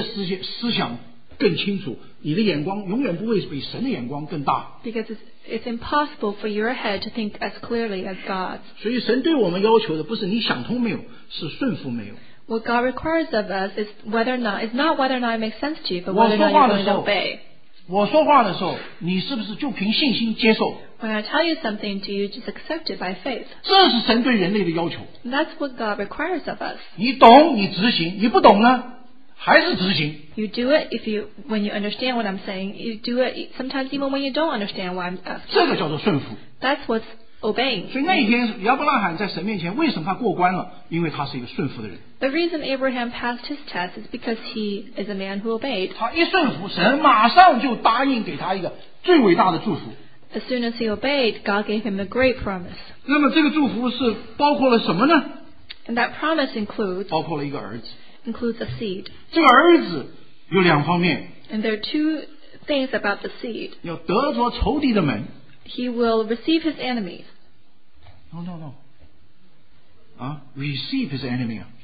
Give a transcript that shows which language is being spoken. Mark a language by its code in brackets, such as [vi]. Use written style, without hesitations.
[zh] 因为你的脑袋永远不会比神的思想更清楚, 你的眼光永远不会比神的眼光更大。 [en] Because it's impossible for your head to think as clearly as God's. [zh] 所以神对我们要求的不是你想通没有, 是顺服没有。 [en] What God requires of us is whether or not, it's not whether or not it makes sense to you, but whether or not you're going to obey. [zh] 我说话的时候,你是不是就凭信心接受? [en] When I tell you something, do you just accept it by faith? [zh] 这是神对人类的要求。 [en] That's what God requires of us. [zh] 你懂,你执行,你不懂呢,还是执行。 [en] You do it when you understand what I'm saying. You do it sometimes even when you don't understand what I'm asking. [zh] 这个叫做顺服。 [en] That's what's obeying. [zh] 所以那一天,亚伯拉罕在神面前为什么他过关了?因为他是一个顺服的人。 [en] The reason Abraham passed his test is because he is a man who obeyed. [zh] 他一顺服,神马上就答应给他一个最伟大的祝福。 [en] As soon as he obeyed, God gave him a great promise. [zh] 那么这个祝福是包括了什么呢? [en] And that promise includes [zh] 包括了一个儿子。 [en] Includes a seed. [zh] 这个儿子有两方面。 [en] And there are two things about the seed. [zh] 要得着仇敌的门。 [en] He will receive his enemies. No, no, no. Receive his enemy.